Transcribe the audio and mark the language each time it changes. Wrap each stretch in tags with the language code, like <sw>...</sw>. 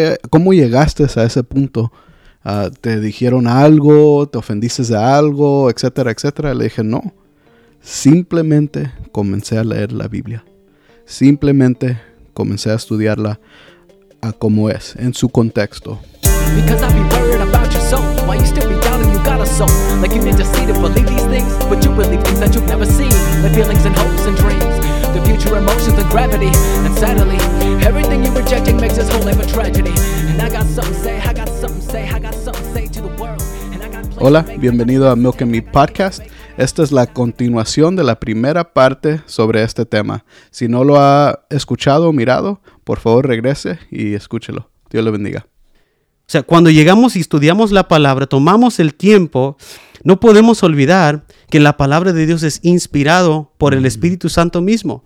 <es>¿Cómo llegaste a ese punto? ¿Te dijeron algo? ¿Te ofendiste de algo? Etcétera, etcétera. Le dije, no. Simplemente comencé a leer la Biblia. Simplemente comencé a estudiarla a como es, en su contexto.</es> <en>Because I've been worried about your soul. Why you still be down if you got a soul? Like you need to see to believe these things, but you believe things that you've never seen. The feelings and hopes and dreams, the future emotions and gravity. And suddenly, everything you're rejecting makes this whole life a tragedy. And I got something to say, I got something to say, I got something to say to the world.</en> <es>Hola, bienvenido a Milk and Meat Podcast. Esta es la continuación de la primera parte sobre este tema. Si no lo ha escuchado o mirado, por favor regrese y escúchelo. Dios le bendiga. O sea, cuando llegamos y estudiamos la palabra, tomamos el tiempo, no podemos olvidar que la palabra de Dios es inspirado por el Espíritu Santo mismo.</es>